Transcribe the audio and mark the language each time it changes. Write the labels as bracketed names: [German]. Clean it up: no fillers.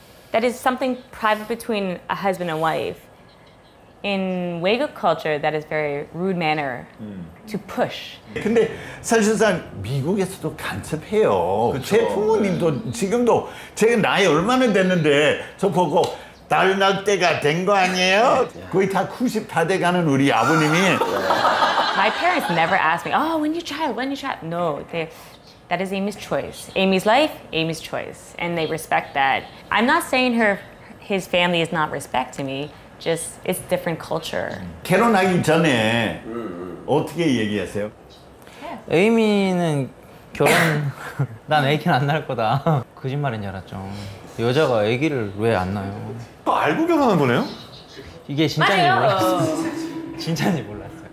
[English] That is something private between a husband and wife. In 외국 culture, that is very rude manner to push. [Korean] 근데 사실상 미국에서도 간섭해요. 그쵸? 제 부모님도 지금도 제가 나이 얼마나 됐는데 저 보고 딸 낳을 때가 된 거 아니에요? 거의 다 90 다 돼가는 우리 아버님이. [English] My parents never asked me, oh, when you child? No, that is Amy's choice. Amy's life, Amy's choice. And they respect that. I'm not saying his family is not respecting me. Just, it's different culture. [Korean] 결혼하기 전에 어떻게 얘기하세요? 에이미는 결혼, 난 애기는 안 낳을 거다. 거짓말은 열었죠. 여자가 애기를 왜 안 낳아요? 알고 결혼한 거네요? 이게 진짜인지 몰랐어요.